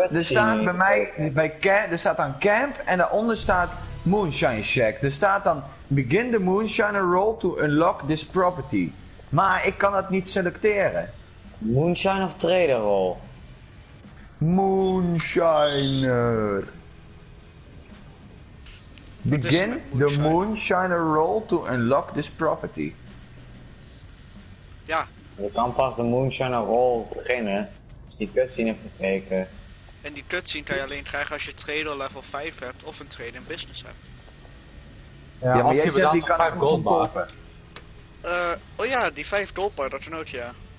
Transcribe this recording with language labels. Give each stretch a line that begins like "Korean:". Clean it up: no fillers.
Dutch: Er staat dan camp en daaronder staat Moonshine Shack. Er staat dan...
English: Begin the Moonshiner roll to unlock this property.
Dutch: Maar ik kan dat niet selecteren. Moonshine of Trader roll? Moonshiner.
English: Begin the Moonshiner roll to unlock this property.
Dutch: Ja. Je kan pas de Moonshiner roll beginnen. Die cutscene even kijken. En die cutscene kan je alleen krijgen als je trader level 5 hebt of een trader in business hebt. Ja, ja, maar jij zegt die kan 5 gold kopen. Oh ja, die 5 gold bar, dat is een ook, ja.